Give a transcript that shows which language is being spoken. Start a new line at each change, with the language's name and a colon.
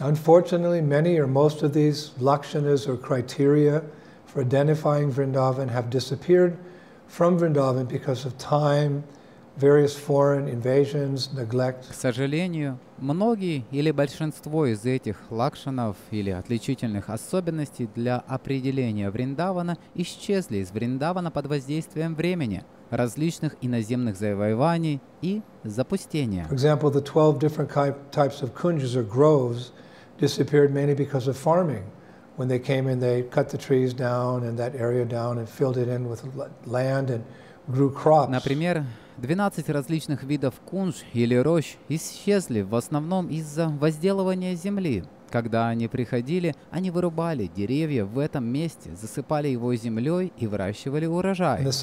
English: Unfortunately, many or most of these lakshanas or criteria for identifying Vrindavan have disappeared from Vrindavan because of time, various foreign invasions, neglect.
Russian: К сожалению, многие или большинство из этих лакшанов или отличительных особенностей для определения Вриндавана исчезли из Вриндавана под воздействием времени, различных иноземных завоеваний и запустения.
English: For example, the 12 different types of kunjas or groves disappeared mainly because of farming. When they came in, they cut the trees down and that area down and filled it in with land and grew crops.
Russian: Например, 12 различных видов кунж или рощ исчезли в основном из-за возделывания земли. Когда они приходили, они вырубали деревья в этом месте, засыпали его землей и выращивали урожай.